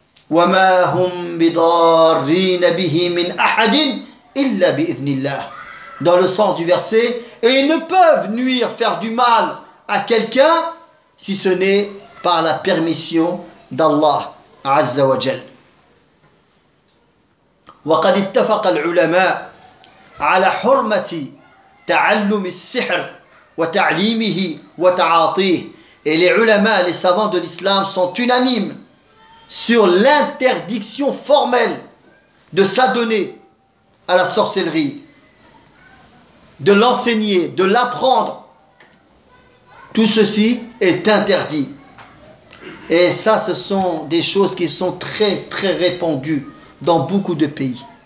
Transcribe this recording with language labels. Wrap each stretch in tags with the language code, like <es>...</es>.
<ar>وَمَا هُمْ بِضَارِّينَ بِهِ مِنْ أَحَدٍ إِلَّا بِإِذْنِ اللَّهِ.</ar> <fr>Dans le sens du verset, et ils ne peuvent nuire, faire du mal à quelqu'un si ce n'est par la permission d'Allah</fr> <ar>Azza wa Jal. وقد اتفق العلماء على حرمة تعلم السحر وتعليمه وتعاطيه.</ar> <fr>Et les ulama, les savants de l'islam, sont unanimes sur l'interdiction formelle de s'adonner à la sorcellerie, de l'enseigner, de l'apprendre. Tout ceci est interdit. Et ça, ce sont des choses qui sont très, très répandues dans beaucoup de pays.</fr>